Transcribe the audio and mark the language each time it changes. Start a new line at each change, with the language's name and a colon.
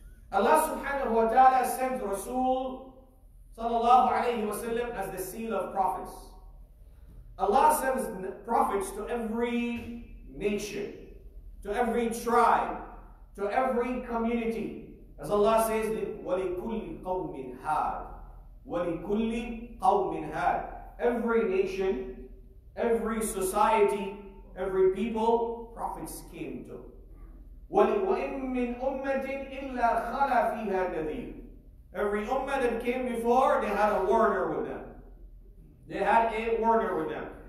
English: Allah subhanahu wa ta'ala sent Rasul sallallahu alayhi wa sallam as the seal of prophets. Allah sends prophets to every nation, to every tribe, to every community. As Allah says,
Arabic: وَلِكُلِّ قَوْمٍ هَادٍ وَلِكُلِّ قَوْمٍ هَادٍ.
English: Every nation, every society, every people, prophets came to.
Arabic: وَإِن مِّنْ أُمَّةٍ إِلَّا خَلَى فِيهَا نَذِيرٍ.
English: Every ummah that came before, they had a warner with them. They had a warner with them.